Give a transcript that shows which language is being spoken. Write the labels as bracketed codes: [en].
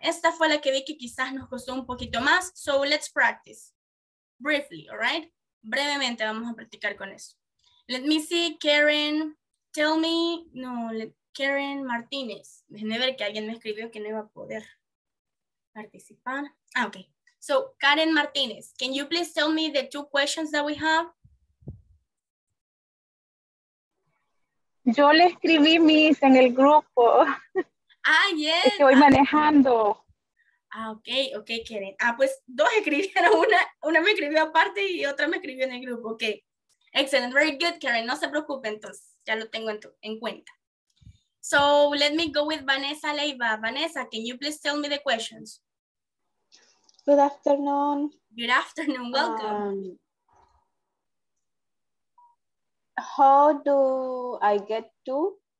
[es] Esta fue la que vi que quizás nos costó un poquito más, [en] so let's practice briefly, all right? [es] Brevemente vamos a practicar con eso. [en] Let me see, Karen, tell me, no, let Karen Martínez. [es] Déjenme ver que alguien me escribió que no iba a poder participar. [en] Ah, okay. So, Karen Martínez, can you please tell me the two questions that we have? [es] Yo le escribí, Miss, en el grupo. [en] Ah, yes. [es] Es que voy manejando. [en] Ah, okay, okay, Karen. [es] Ah, pues dos escribieron, una me escribió aparte y otra me escribió en el grupo. Okay. [en] Excellent, very good, Karen. [es] No se preocupe, entonces, ya lo tengo en cuenta. [en] So let me go with Vanessa Leiva. Vanessa, can you please tell me the questions? Good afternoon. Good afternoon. Welcome. How do I get to?